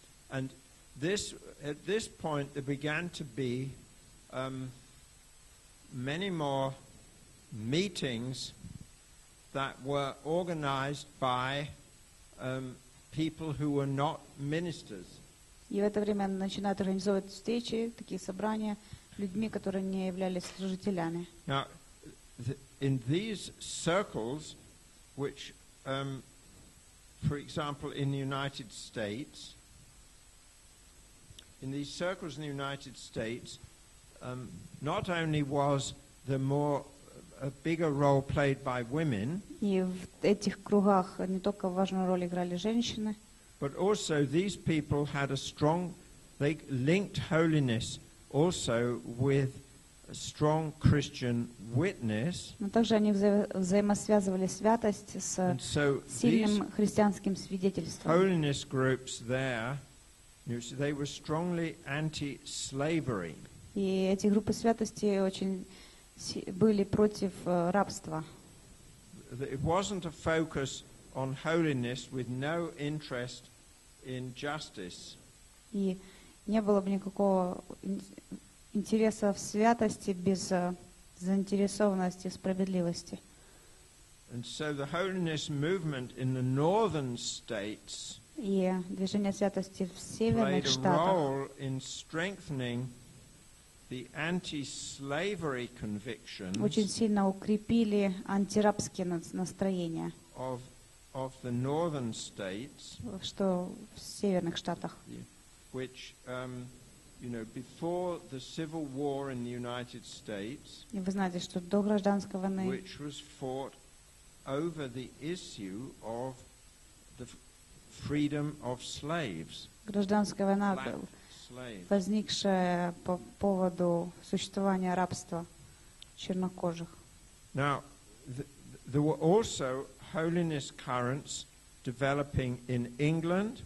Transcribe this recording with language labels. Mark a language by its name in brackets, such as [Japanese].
[English] And this at this point there began to be many more meetings that were organized by people who were not ministers. [Russian] И в это время начинают организовывать встречи, такие собрания, людьми, которые не являлись служителями. [English] Now, in these circles, which, for example, in the United States, not only was the more a bigger role played by women, [Russian] и в этих кругах не только важную роль играли женщины, [English] but also these people had a strong, they linked holiness also with a strong Christian witness. [Russian] Но также они взаимосвязывали святость с сильным христианским свидетельством. [English] Holiness groups there, you see, they were strongly anti-slavery. [Russian] И эти группы святости очень были против рабства. [English] It wasn't a focus on holiness with no interest in justice. [Russian] И не было бы никакого интереса в святости без заинтересованности в справедливости. [English] And so the holiness movement in the northern states played a role in strengthening the anti-slavery convictions. [Russian] Очень сильно укрепили антирабские настроения. [English] Of the northern states, [Russian] что в северных штатах, [English] which, you know, before the civil war in the United States, [Russian] и вы знаете, что до гражданской войны, [English] which was fought over the issue of the freedom of slaves, [Russian] гражданская война, возникшая по поводу существования рабства чернокожих. [English] Now, there were also holiness currents developing in England